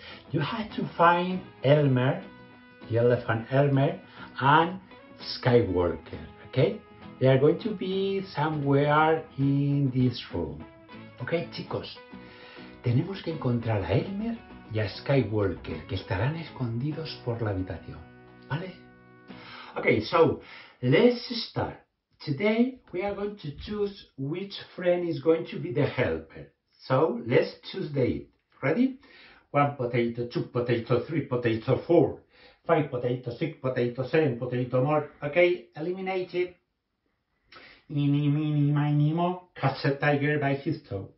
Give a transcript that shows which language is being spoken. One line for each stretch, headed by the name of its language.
English: You had to find Elmer, the elephant Elmer, and Skywalker, okay? They are going to be somewhere in this room.
Spanish: Okay, chicos, tenemos que encontrar a Elmer y a Skywalker, que estarán escondidos por la habitación, ¿vale?
English: Okay, so, let's start. Today, we are going to choose which friend is going to be the helper. So, let's choose the eight. Ready? One potato, two potato, three potato, four, five potato, six potato, seven potato more. Okay, eliminated. Eeny, meeny, miny, mo, catch a tiger by his toe.